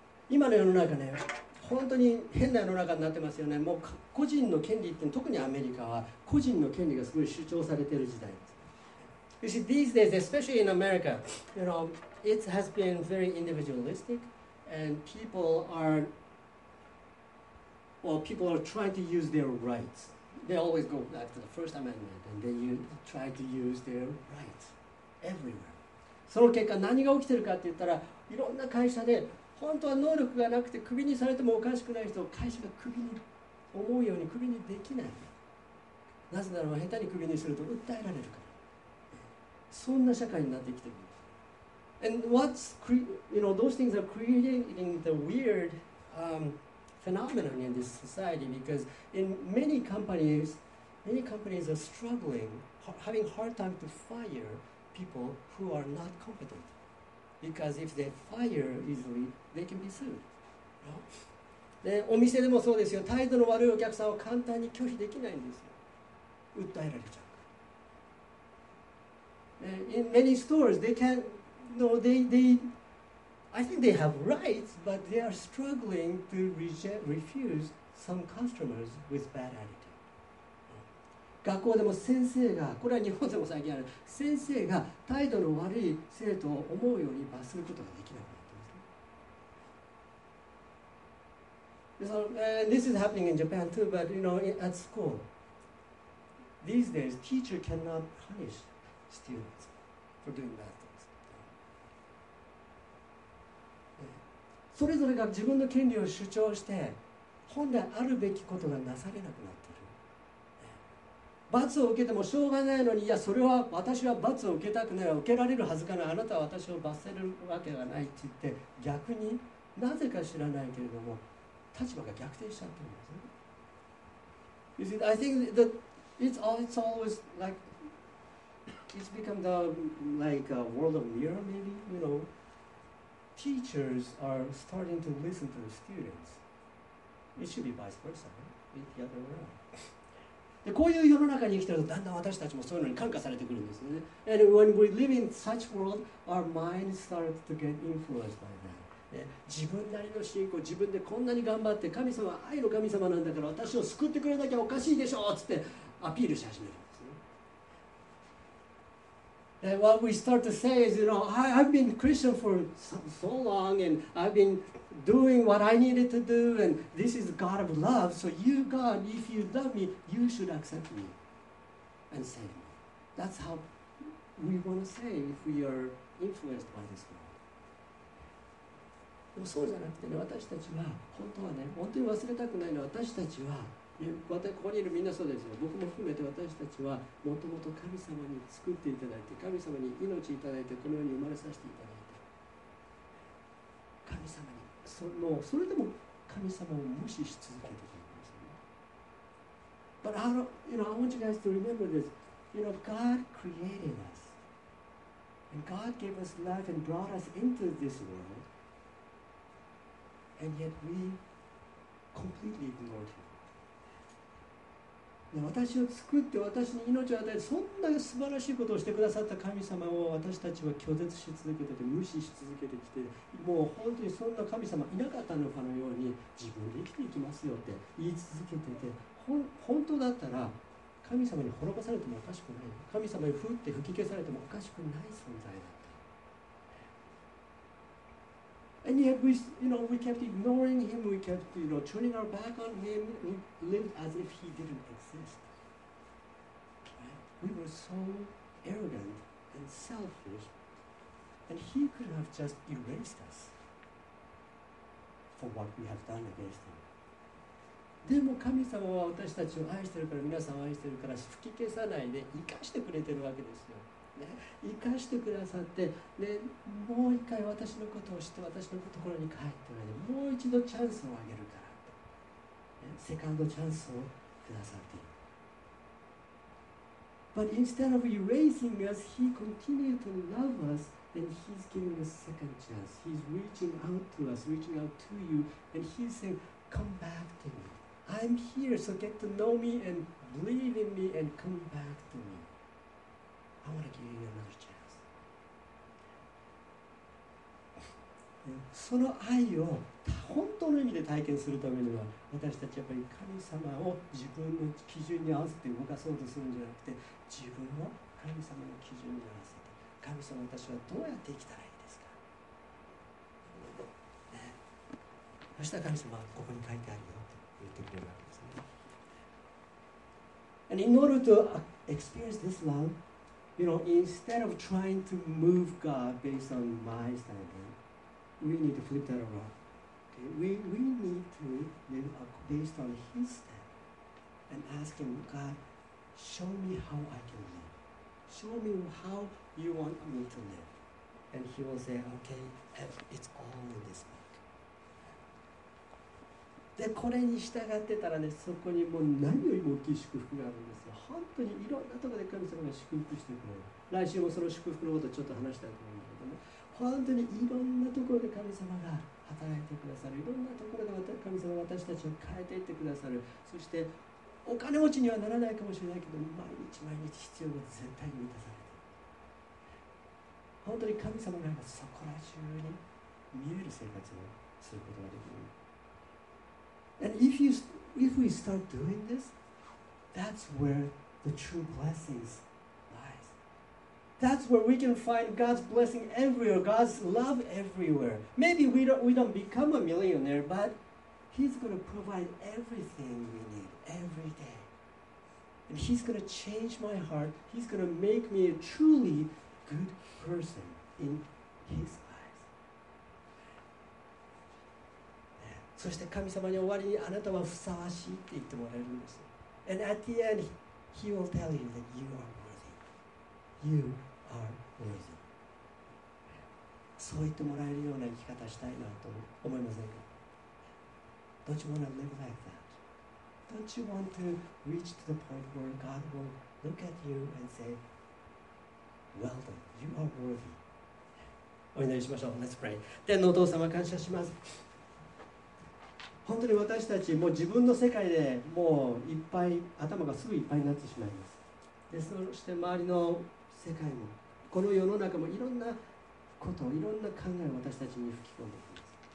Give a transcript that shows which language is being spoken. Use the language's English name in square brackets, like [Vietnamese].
[Japanese] Yeah. 今の世の中ね、本当に変な世の中になってますよね。もう個人の権利って、特にアメリカは個人の権利がすごい主張されている時代です。 [English] You see, these days, especially in America, you know, it has been very individualistic, and people are trying to use their rights. They always go back to the First Amendment and then you try to use their rights everywhere. [Japanese] その結果何が起きてるかって言ったら、いろんな会社で本当は能力がなくてクビにされてもおかしくない人を会社がクビに、思うようにクビにできない。なぜなら下手にクビにすると訴えられるから。そんな社会になってきてる。 [English] And what's, you know, those things are creating the weirdphenomenon in this society because in many companies are struggling, having hard time to fire people who are not competent because if they fire easily, they can be sued. [Japanese] で、お店でもそうですよ。態度の悪いお客さんを簡単に拒否できないんですよ。訴えられちゃう。 [English] In many stores, they can't, no, I think they have rights, but they are struggling to refuse some customers with bad attitude. [Japanese] 学校でも先生が、これは日本でも最近ある、先生が態度の悪い生徒を思うように罰することができなくなっています。 [English] So, this is happening in Japan too, but you know, at school, these days, teacher cannot punish students for doing bad things. [Japanese] それぞれが自分の権利を主張して本来あるべきことがなされなくなっている。罰を受けてもしょうがないのに、いやそれは私は罰を受けたくない、受けられるはずかない、あなたは私を罰せるわけがないって言って、逆になぜか知らないけれども立場が逆転しちゃってるんですね。 [English] You see, I think that it's always like it's become the like a world of mirror maybe, you knowTeachers are starting to listen to the students. It should be vice versa, right? The other way around. [Japanese] で、こういう世の中に生きてると、だんだん私たちもそういうのに感化されてくるんですね。 [English] And when we live in such world, our minds start to get influenced by that. [Japanese] 自分なりの信仰、自分でこんなに頑張って、神様は愛の神様なんだから、私を救ってくれなきゃおかしいでしょうつってアピールし始める。 [English] And what we start to say is, you know, I've been Christian for so long and I've been doing what I needed to do and this is God of love, so you, God, if you love me, you should accept me and save me. That's how we want to say if we are influenced by this world. [Japanese] でもそうじゃなくてね、私たちは本当はね、本当に忘れたくないのは、私たちは、ここにいるみんなそうですよ、僕も含めて、私たちはもともと神様に作っていただいて、神様に命いただいて、この世に生まれさせていただいて、神様に、それでも神様を無視し続けてきているんですよね。 [English] But I don't, you know, I want you guys to remember this. You know, God created us. And God gave us life and brought us into this world. And yet we completely ignored Him. [Japanese] 私を作って私に命を与えて、そんな素晴らしいことをしてくださった神様を私たちは拒絶し続けてて、無視し続けてきて、もう本当にそんな神様いなかったのかのように自分で生きていきますよって言い続けてて、本当だったら神様に滅ぼされてもおかしくない、神様にふって吹き消されてもおかしくない存在だった。 [English] And yet we, you know, we kept ignoring him, we kept, you know, turning our back on him, we lived as if he didn'tWe were so arrogant and selfish And he could have just erased us for what we have done against him. [Japanese] でも神様は私たちを愛してるから皆さんを愛してるから吹き消さないで生かしてくれてるわけですよ。生かしてくださって、ね、もう一回私のことを知って私のところに帰ってもらって、もう一度チャンスをあげるから、ね、セカンドチャンスをくださっている。 [English] But instead of erasing us, he continued to love us, and he's giving us a second chance. He's reaching out to us, reaching out to you, and he's saying, "Come back to me. I'm here. So get to know me and believe in me and come back to me. I want to give you another chance." [Japanese] その愛を本当の意味で体験するためには、私たちやっぱり神様を自分の基準に合わせて動かそうとするんじゃなくて、自分を神様の基準に合わせて、神様私はどうやって生きたらいいですか、ね、そしたら神様はここに書いてあるよって言ってくれるわけですね。 [English] And in order to experience this love, you know, instead of trying to move God based on my standing, we need to flip that around. We need to live based on his standard and ask him, God, show me how I can live. Show me how you want me to live. And he will say, okay, it's all in this book. [Japanese] で、これに従ってたらね、そこにもう何よりも大きい祝福があるんですよ。本当にいろんなところで神様が祝福してくれる。来週もその祝福のことをちょっと話したいと思うんだけどね。本当にいろんなところで神様が働いてくださる。いろんなところで神様は私たちを変えていってくださる。そしてお金持ちにはならないかもしれないけど、毎日毎日必要が絶対に満たされている。本当に神様がそこら中に見える生活をすることができる。 [English] And if we start doing this, that's where the true blessingsThat's where we can find God's blessing everywhere, God's love everywhere. Maybe we don't become a millionaire, but He's going to provide everything we need every day. And He's going to change my heart. He's going to make me a truly good person in His eyes. [Japanese] そして神様に終わりにあなたはふさわしいって言ってもらえるんです。 [English] And at the end, He will tell you that you are worthy. You are worthy. [Japanese] そう言ってもらえるような生き方したいなと思いませんか? [English] Don't you want to live like that? Don't you want to reach to the point where God will look at you and say, Well done, you are worthy. [Japanese] お祈りしましょう。 [English] Let's pray. [Japanese] 天のお父様、感謝します。本当に私たち、もう自分の世界でもういっぱい、頭がすぐいっぱいになってしまいます。で、そして周りの世界も、この世の中もいろんなこと、いろんな考えを私たちに吹き込んでいきます。